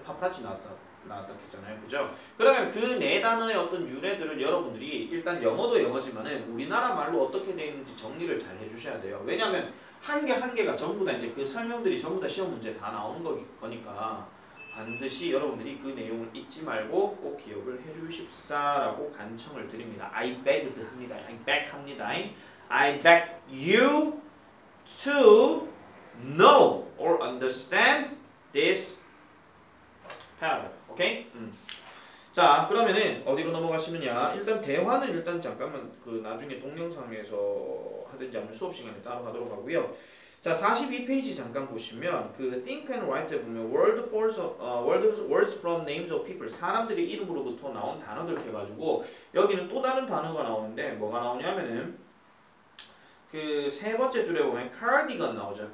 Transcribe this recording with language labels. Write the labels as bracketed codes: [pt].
[ko] 파파라치 나왔다 했잖아요. 그죠? 그러면 그 네 단어의 어떤 유래들을 여러분들이 일단 영어도 영어지만은 우리나라 말로 어떻게 되어 있는지 정리를 잘 해주셔야 돼요. 왜냐하면 한 개 한 개가 전부 다 이제 그 설명들이 전부 다 시험 문제에 다 나오는 거니까 반드시 여러분들이 그 내용을 잊지 말고 꼭 기억을 해주십사라고 간청을 드립니다. [en] I begged [ko] 합니다. [en] I beg 합니다. I beg you to know or understand this paragraph, okay? [ko] 자, 그러면은 어디로 넘어가시느냐? 일단 대화는 일단 잠깐만 그 나중에 동영상에서 하든지 아니면 수업 시간에 따로 하도록 하고요. 자, 42페이지 잠깐 보시면 그 think and write 보면 [en] words from names of people [ko] 사람들의 이름으로부터 나온 단어들 해가지고 여기는 또 다른 단어가 나오는데 뭐가 나오냐면은 그 세 번째 줄에 보면 cardigan 나오죠.